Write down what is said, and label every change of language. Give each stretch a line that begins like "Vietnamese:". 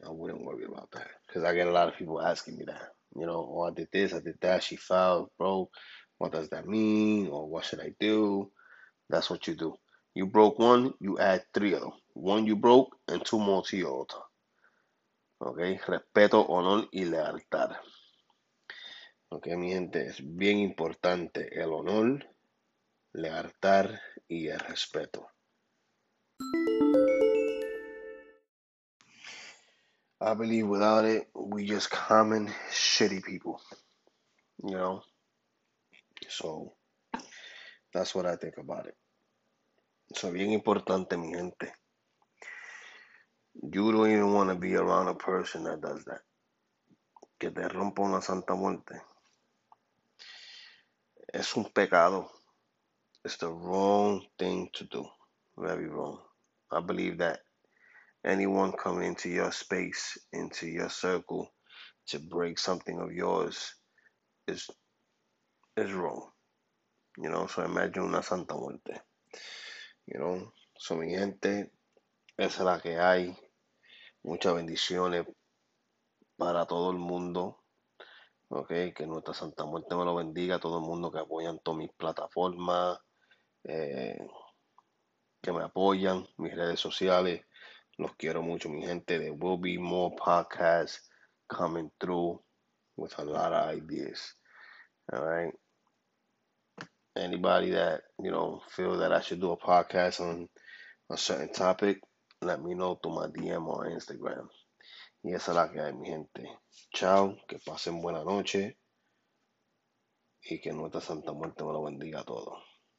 English: I wouldn't worry about that. Because I get a lot of people asking me that. Oh, I did this, I did that, she fell, broke. What does that mean? Or what should I do? That's what you do. You broke one, you add three of them. One you broke and two more to your altar. Okay?
Spanish: Respeto, honor y lealtad. Okay, mi gente, es bien importante el honor, lealtad y el respeto.
English: I believe without it, we just common shitty people. So that's what I think about it. So
Spanish: bien importante, mi gente.
English: You don't even want to be around a person that does that.
Spanish: que te rompa una santa muerte es un pecado.
English: It's the wrong thing to do. Very wrong. I believe that anyone coming into your space, into your circle, to break something of yours is wrong. You know, so imagine
Spanish: una santa muerte.
English: You know, so
Spanish: mi gente, esa es la que hay. Muchas bendiciones para todo el mundo. Ok, que nuestra santa muerte me lo bendiga. Todo el mundo que apoyan todas mis plataformas. Que me apoyan, mis redes sociales. Los quiero mucho, mi gente.
English: There will be more podcasts coming through with a lot of ideas. All right. Anybody that, you know, feel that I should do a podcast on a certain topic, let me know through my DM or Instagram.
Spanish: Y esa es la que hay, mi gente. Chao, que pasen buena noche y que nuestra Santa Muerte me lo bendiga a todos.